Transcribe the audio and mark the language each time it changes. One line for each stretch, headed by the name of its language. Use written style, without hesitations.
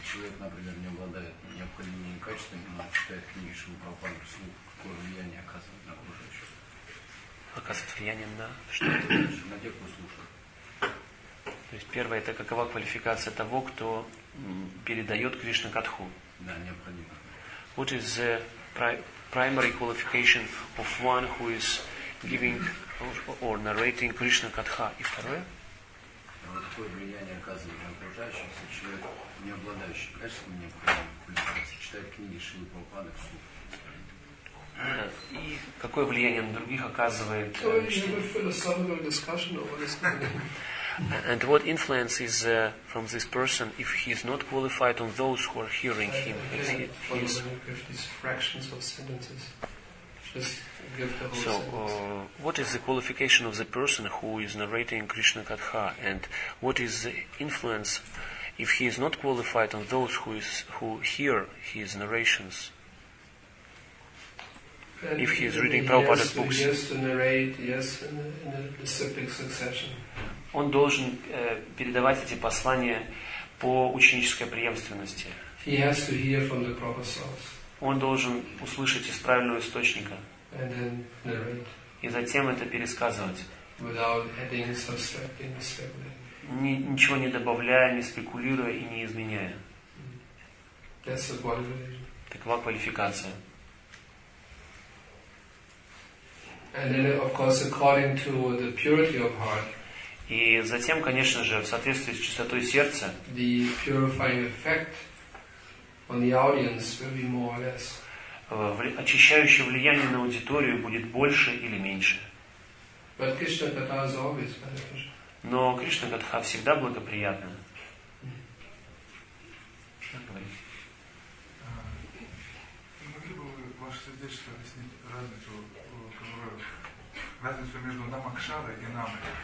Russian: Человек, например, не обладает необходимыми качествами, но читает книги Шрилы Прабхупады вслух, какое влияние оказывает на окружающих? Оказывает влияние на что? На тех, кто слушает. То есть первое, это какова квалификация того, кто передает Кришна Катху?
English: What is the primary qualification of one who is giving or narrating Krishna Katha?
Russian: И второе? Какое влияние оказывает на окружающихся человек, не обладающий качеством необходимой квалификации, читает книги Шрилы Прабхупады вслух? И какое влияние на других оказывает?
English: And what influence is from this person if he is not qualified on those who are hearing him? I can't follow him with these fractions of sentences. Just give the whole sentence. So, what is the qualification of the person who is narrating Krishna Katha? And what is the influence if he is not qualified on those who hear his narrations? And if he is reading Prabhupada's books. He has to narrate, yes, in a specific succession.
Russian: Он должен передавать эти послания по ученической преемственности.
English: He has to hear from the proper source.
Russian: Он должен услышать из правильного источника.
English: And then narrate.
Russian: И затем это пересказывать.
English: Without adding, subtracting,
Russian: ничего не добавляя, не спекулируя и не изменяя.
English: That's a qualification.
Russian: Такова квалификация.
English: And then, of course, according to the purity of heart.
Russian: И затем, конечно же, в соответствии с чистотой сердца,
English: the purifying effect on the audience will be more or less.
Russian: Очищающее влияние на аудиторию будет больше или меньше.
English: But Krishna Katha is always beneficial.
Russian: Но Кришна Катха всегда благоприятна. Не могли бы вы ваше сердечество объяснить разницу между намакшарой и намой?